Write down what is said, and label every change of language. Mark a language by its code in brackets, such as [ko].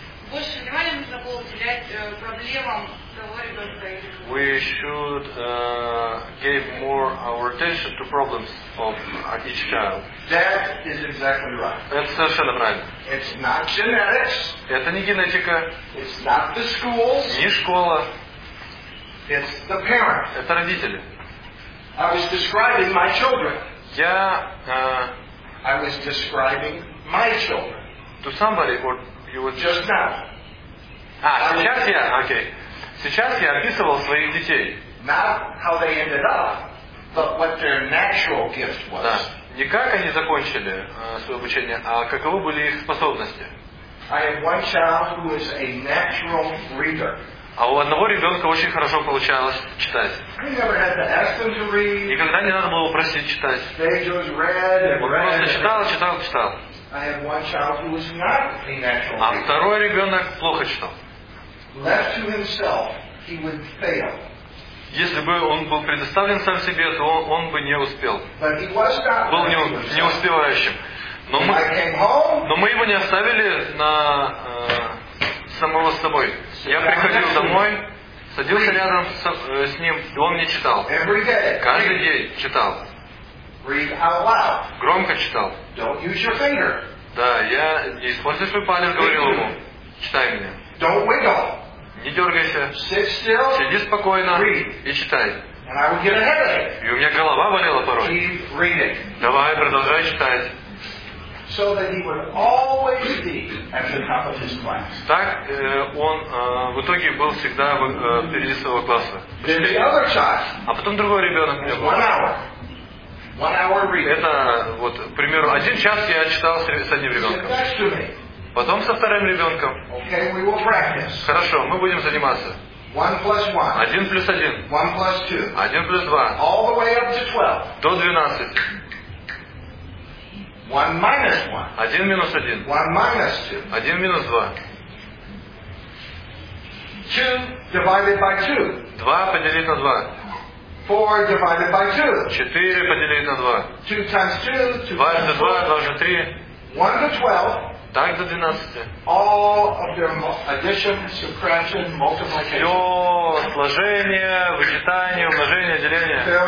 [ru] Больше внимания нужно было уделять проблемам. [en] We should give more our attention to problems of each child. That is exactly right. [ru] Это совершенно правильно. [en] It's not genetics. [ru] Это не генетика. [en] It's not the schools. [ru] Не школа. [en] It's the parents. [ru] Это родители. [en] I was describing my children. [ru] Я [en] I was describing my children. To somebody or you were just now. [ru] А, сейчас я, окей. Сейчас я описывал своих детей. [en] Not how they ended up, but what their natural gift was. [ru] Да. Не как они закончили свое обучение, а каковы были их способности. [en] I have one child who is a natural reader. [ru] А у одного ребенка очень хорошо получалось читать. [en] I never had to ask them to read. [ru] Никогда не надо было просить читать. [en] They just read and read. [ru] Он просто читал, читал, читал. [en] I have one child who is not a natural reader. [ru] А второй ребенок плохо читал. [en] Left to himself, he would fail. [ru] Если бы он был предоставлен сам себе, то он бы не успел. [en] But he was not. [ru] Был не успевающим. Но мы, его не оставили на самого с собой. Я приходил домой, садился рядом с ним, и он мне читал. [en] Every day. [ru] Каждый день читал. [en] Read out loud. [ru] Громко читал. [en] Don't use your finger. [ru] Да, я не используй свой палец, говорил ему. Читай мне. [en] Don't wiggle. [ru] Не дергайся. [en] Sit still. [ru] Сиди спокойно. [en] Read. [ru] И читай. [en] And I would get a headache. [ru] И у меня голова болела порой. [en] Keep reading. [ru] Давай, продолжай читать. [en] So that he would always be at the top of his class. [ru] Так он в итоге был всегда впереди своего класса. [en] Then the other child. [ru] А потом другой ребенок. [en] One hour reading. [ru] Это вот, к примеру, один час я читал с одним ребенком. Потом со вторым ребенком. [en] Okay, we will practice. [ru] Хорошо, мы будем заниматься. [en] One plus one. [ru] Один плюс один. [en] One plus two. [ru] Один плюс два. [en] All the way up to 12. [ru] До 12. [en] One minus one. [ru] Один минус один. [en] One minus two. [ru] Один минус два. [en] Two divided by two. [ru] Два поделить на два. [en] Four divided by two. [ru] Четыре поделить на два. [en] Two times two. [ru] Дважды два, дважды три. [en] One to 12. [ru] Так до 12. [en] All of their addition, subtraction, multiplication. [ru] Все сложение, вычитание, умножение, деление.